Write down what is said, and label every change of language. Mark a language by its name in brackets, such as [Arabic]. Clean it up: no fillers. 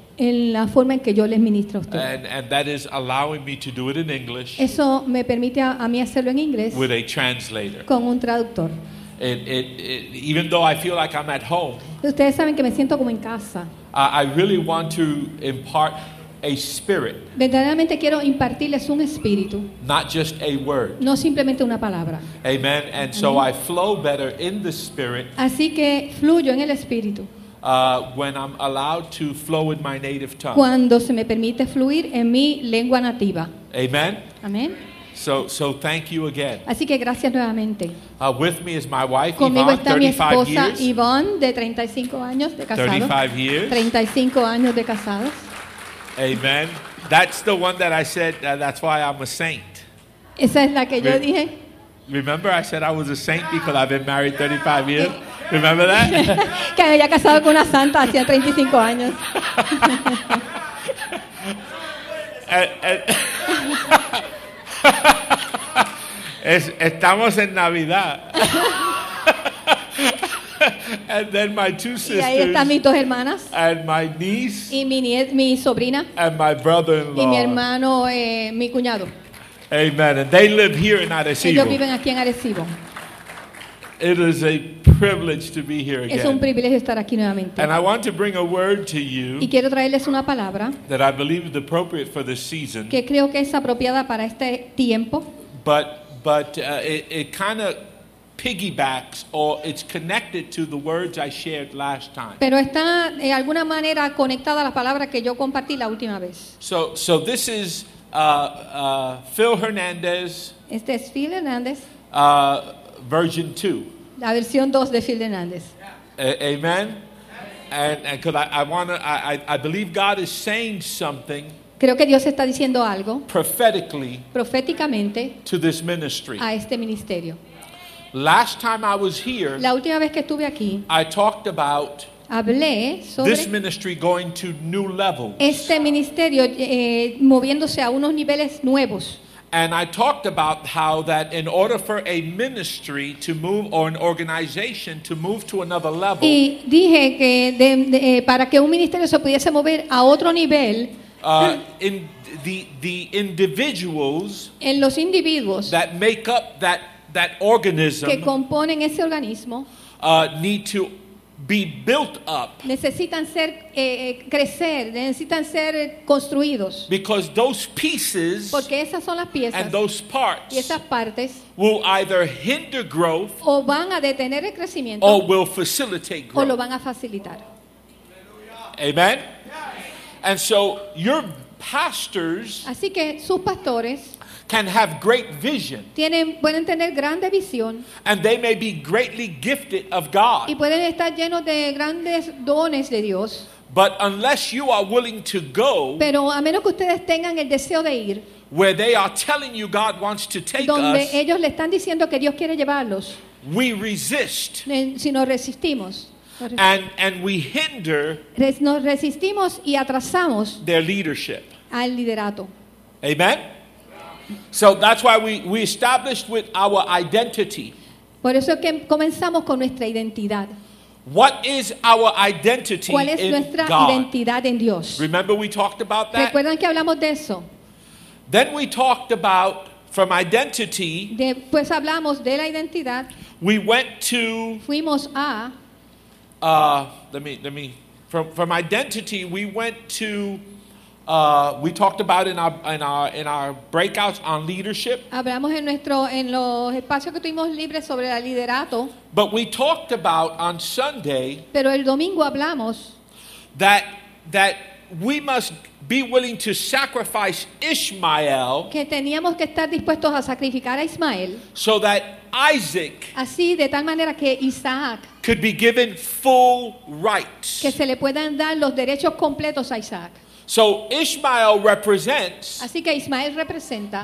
[Spanish] En la forma en que yo les ministro a usted. [English] And that is allowing me to do it in English. [Spanish] Eso me permite a mí hacerlo en inglés. [English] With a translator. [Spanish] Con un traductor. [English] It, even though I feel like I'm at home. [Spanish] Ustedes saben que me siento como en casa. [English] I really want to impart a spirit. [Spanish] Verdaderamente quiero impartirles un espíritu. [English] Not just a word. [Spanish] No simplemente una palabra. [English] Amen. And so I flow better in the spirit. [Spanish] Así que fluyo en el espíritu. [English] When I'm allowed to flow in my native tongue. [Spanish] Cuando se me permite fluir en mi lengua nativa. [English] Amen. [Spanish] Amen. [English] So thank you again. [Spanish] Así que gracias nuevamente. [English] With me is my wife, [Spanish] conmigo [English] Yvonne, 35 [Spanish] está mi esposa, [English] years. [Spanish] Yvonne, de 35 años de casado. [English] 35 years. [Spanish] 35 años de casados. [English] Amen. That's the one that I said, that's why I'm a saint. [Spanish] Esa es la que yo dije. [English] Remember I said I was a saint because I've been married 35 years. Remember that? [Spanish] Que me había casado con una santa hacía 35 años. Estamos en Navidad. [English] And then my two sisters. [Spanish] Y ahí están mis dos hermanas. [English] And my niece. [Spanish] Y mi sobrina. [English] And my brother-in-law. [Spanish] Y mi hermano, mi cuñado. [English] Amen. And they live here in Arecibo. [Spanish] Ellos viven aquí en Arecibo. [English] It is a privilege to be here again. [Spanish] Es un privilegio estar aquí nuevamente. [English] And I want to bring a word to you. [Spanish] Y quiero traerles una palabra. [English] That I believe is appropriate for this season. [Spanish] Que creo que es apropiada para este tiempo. [English] But it kind of piggybacks or it's connected to the words I shared last time. [Spanish] Pero está de alguna manera conectada a la palabra que yo compartí la última vez. [English] So this is Phil Hernandez. [Spanish] Este es Phil Hernandez. [English] Version 2. [Spanish] La versión 2 de Phil Hernandez. [English] Amen. And cuz I believe God is saying something. [Spanish] Creo que Dios está diciendo algo. [English] Prophetically. [Spanish] Proféticamente. [English] To this ministry. [Spanish] A este ministerio. [English] Last time I was here. [Spanish] La última vez que estuve aquí. [English] I talked about. [Spanish] Hablé sobre [English] this ministry going to new levels. [Spanish] Este ministerio moviéndose a unos niveles nuevos. [English] And I talked about how that in order for a ministry to move or an organization to move to another level. [Spanish] Y dije que para que un ministerio se pudiese mover a otro nivel. [English] In the individuals. [Spanish] En los individuos. [English] That make up that organism. [Spanish] Que componen ese organismo. [English] Need to be built up. [Spanish] Necesitan ser crecer, necesitan ser construidos. [English] Because those pieces. [Spanish] Porque esas son las piezas. [English] And those parts. [Spanish] Y esas partes. [English] Will either hinder growth. [Spanish] O van a detener el crecimiento. [English] Or will facilitate growth. [Spanish] O lo van a facilitar. [English] Amen. And so your pastors. [Spanish] Así que sus pastores. [English] Can have great vision. [Spanish] Tienen, pueden tener grande visión. [English] And they may be greatly gifted of God. [Spanish] Y pueden estar llenos de grandes dones de Dios. [English] But unless you are willing to go. [Spanish] Pero a menos que ustedes tengan el deseo de ir. [English] Where they are telling you God wants to take [Spanish] donde [English] us. [Spanish] Donde ellos le están diciendo que Dios quiere llevarlos. [English] We resist. [Spanish] Si nos resistimos. [English] And we hinder. [Spanish] Nos resistimos y atrasamos. [English] Their leadership. [Spanish] Al liderato. [English] Amen. So that's why we established with our identity. [Spanish] Por eso es que comenzamos con nuestra identidad. [English] What is our identity in God? [Spanish] ¿Cuál es nuestra identidad en Dios? [English] Remember we talked about that? [Spanish] ¿Recuerdan que hablamos de eso? [English] Then we talked about from identity. [Spanish] Después hablamos de la identidad. [English] We went to. [Spanish] Fuimos a. [English] Let me. From identity, we went to. We talked about in our breakouts on leadership. [Spanish] Hablamos en los espacios que tuvimos libres sobre el liderato. [English] But we talked about on Sunday. [Spanish] Pero el domingo hablamos [English] that we must be willing to sacrifice Ishmael. [Spanish] Que teníamos que estar dispuestos a sacrificar a Ismael. [English] So that Isaac. [Spanish] Así de tal manera que Isaac. [English] Could be given full rights. [Spanish] Que se le puedan dar los derechos completos a Isaac. [English] So Ishmael represents. [Spanish] Así que Ismael representa